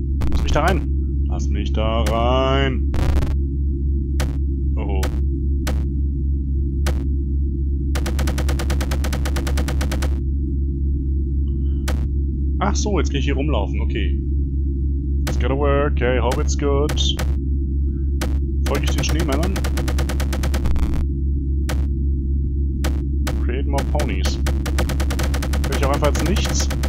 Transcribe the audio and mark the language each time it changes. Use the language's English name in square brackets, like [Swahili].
[German] Lass mich da rein. Lass mich da rein. Ach so, jetzt kann ich hier rumlaufen, okay. [English] It's gonna work, okay, hope it's good. [German] Folge ich den Schneemännern? [English] Create more ponies. [German] Kann ich auch einfach jetzt nichts?